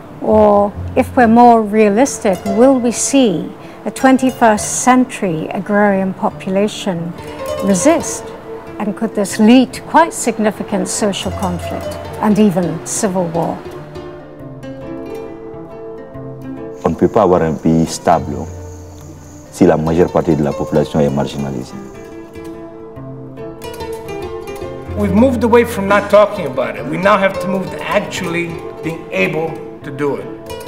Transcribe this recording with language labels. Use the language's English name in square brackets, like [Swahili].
[English] Or if we're more realistic, will we see a 21st century agrarian population resist? And could this lead to quite significant social conflict and even civil war? [French] On ne peut pas avoir un pays stable si la majeure partie de la population est marginalisée. [English] We've moved away from not talking about it. We now have to move to actually being able to do it.